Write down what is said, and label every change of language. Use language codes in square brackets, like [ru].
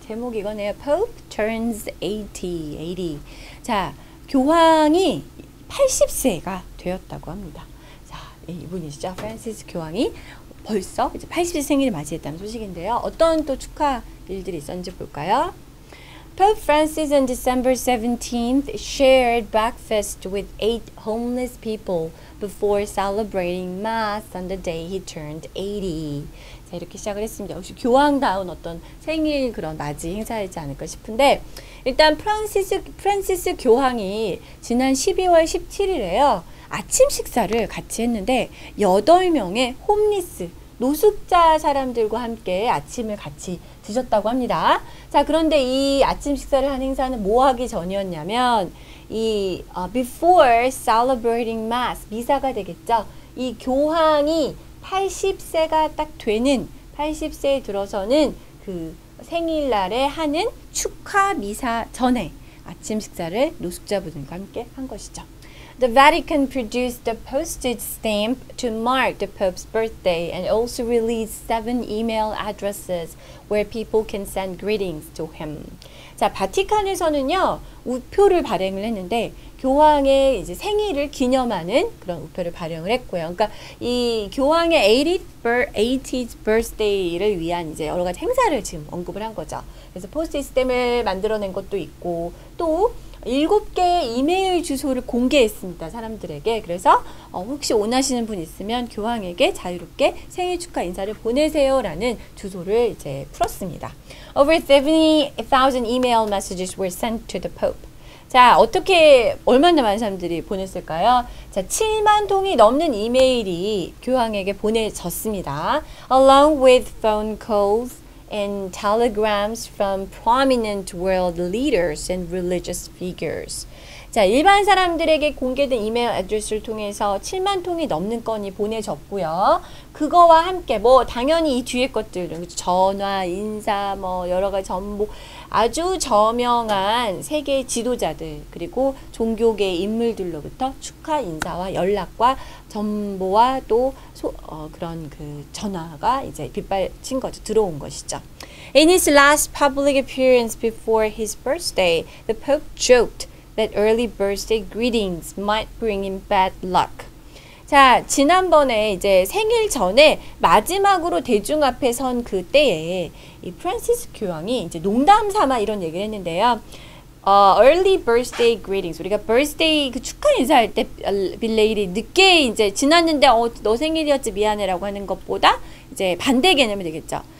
[ko] 제목이 이거네요. [en] Pope turns 80. [ko] 자, 교황이 80세가 되었다고 합니다. 자, 이분이시죠. 프란체스코 교황이 벌써 이제 80세 생일을 맞이했다는 소식인데요. 어떤 또 축하 일들이 있었는지 볼까요? [en] Pope Francis on December 17th shared breakfast with 8 homeless people before celebrating Mass on the day he turned 80. [ko] 자, 이렇게 시작을 했습니다. 역시 교황다운 어떤 생일 그런 맞이 행사이지 않을까 싶은데 일단 프란시스 교황이 지난 12월 17일에요. 아침 식사를 같이 했는데 8명의 홈리스 노숙자 사람들과 함께 아침을 같이 드셨다고 합니다. 자, 그런데 이 아침 식사를 한 행사는 뭐 하기 전이었냐면 이 [en] before celebrating mass [ko] 미사가 되겠죠. 이 교황이 80세가 딱 되는 80세에 들어서는 그 생일날에 하는 축하 미사 전에 아침 식사를 노숙자분들과 함께 한 것이죠. [en] The Vatican produced a postage stamp to mark the Pope's birthday and also released 7 email addresses where people can send greetings to him. [ko] 자, 바티칸에서는요, 우표를 발행을 했는데, 교황의 이제 생일을 기념하는 그런 우표를 발행을 했고요. 그러니까 이 교황의 80th birthday를 위한 이제 여러 가지 행사를 지금 언급을 한 거죠. 그래서 postage stamp을 만들어낸 것도 있고, 또, 7개의 이메일 주소를 공개했습니다. 사람들에게. 그래서 혹시 원하시는 분 있으면 교황에게 자유롭게 생일 축하 인사를 보내세요 라는 주소를 이제 풀었습니다. [en] Over 70,000 email messages were sent to the Pope. [ko] 자, 어떻게 얼마나 많은 사람들이 보냈을까요? 자, 7만 통이 넘는 이메일이 교황에게 보내졌습니다. [en] Along with phone calls and telegrams from prominent world leaders and religious figures. [ko] 자, 일반 사람들에게 공개된 이메일 address를 통해서 7만 통이 넘는 건이 보내졌고요. 그거와 함께 뭐 당연히 이 뒤에 것들은 전화, 인사, 뭐 여러 가지 전부 아주 저명한 세계 지도자들 그리고 종교계 인물들로부터 축하 인사와 연락과 전보와 또 그런 그 전화가 이제 빗발친 거죠. 들어온 것이죠. [en] In his last public appearance before his birthday, the Pope joked that early birthday greetings might bring him bad luck. [ko] 자, 지난번에 이제 생일 전에 마지막으로 대중 앞에 선 그때에 이 프란시스 교황이 이제 농담 삼아 이런 얘기를 했는데요. [en] Early birthday greetings. [ko] 우리가 birthday 그 축하 인사할 때 belated 늦게 이제 지났는데 너 생일이었지 미안해라고 하는 것보다 이제 반대 개념이 되겠죠.